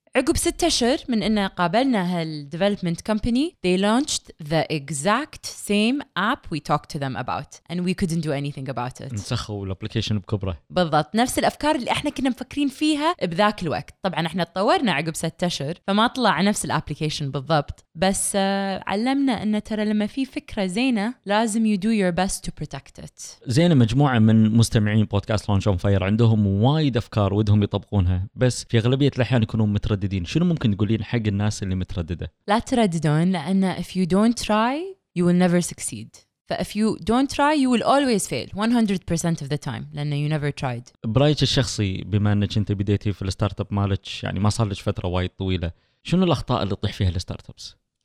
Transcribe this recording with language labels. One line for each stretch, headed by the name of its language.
Arabic: عقب 6 أشهر من أن قابلنا هالdevelopment
English: company, they launched the exact same app we talked to them about, and we couldn't do anything about it.
Arabic: نسخوا الابليكيشن بكبره. بالضبط نفس الأفكار اللي إحنا كنا مفكرين فيها بذاك الوقت. طبعًا إحنا تطورنا عقب 6 أشهر, فما طلع نفس الابليكيشن بالضبط. بس علمنا أن ترى لما في فكرة زينة لازم
English: you do your best to protect it.
Arabic: زينة مجموعة من مستمعين بودكاست Launch on Fire عندهم وايد أفكار ودهم يطبقونها, بس في أغلبية الأحيان يكونون مترددين. شنو ممكن تقولين حق الناس اللي مترددة؟ لا ترددون, لأن
English: if you don't try you will never succeed. ف if you don't try you will always fail 100% of the time, لأن you never tried.
Arabic: برأيك الشخصي بما أنك أنت بديتي في الستارت أب مالك, يعني ما صار لك فترة وايد طويلة, شنو الأخطاء اللي تطيح فيها الستارت أبس؟